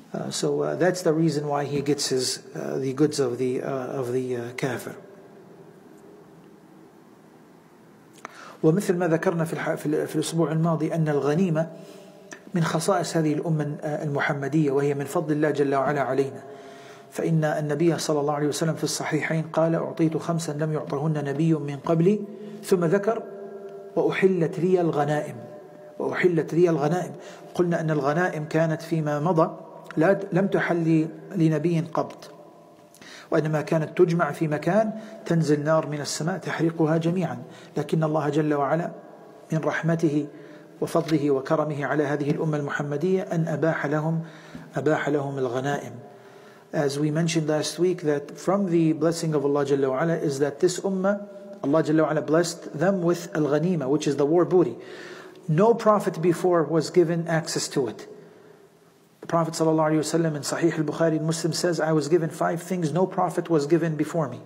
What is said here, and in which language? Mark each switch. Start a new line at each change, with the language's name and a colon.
English: So that's the reason why he gets his the goods of the kafir.
Arabic: ومثل ما ذكرنا في الأسبوع الماضي أن الغنيمة من خصائص هذه الأمة المحمدية وهي من فضل الله جل وعلا علينا. فإن النبي صلى الله عليه وسلم في الصحيحين قال أعطيت خمسا لم يعطهن نبي من قبلي، ثم ذكر وأحلت لي الغنائم، وأحلت لي الغنائم. قلنا أن الغنائم كانت فيما مضى لم تحل لنبي قبل، وإنما كانت تجمع في مكان تنزل نار من السماء تحرقها جميعا. لكن الله جل وعلا من رحمته وفضله وكرمه على هذه الأمة المحمدية أن أباح لهم الغنائم.
English: As we mentioned last week that from the blessing of Allah
Arabic: جل وعلا
English: is that this ummah, Allah جل وعلا blessed them with al-ghanima, which is the war booty. No prophet before was given access to it. The Prophet
Arabic: صلى الله عليه وسلم
English: in Sahih al-Bukhari Muslim says, I was given five things no prophet was given before me.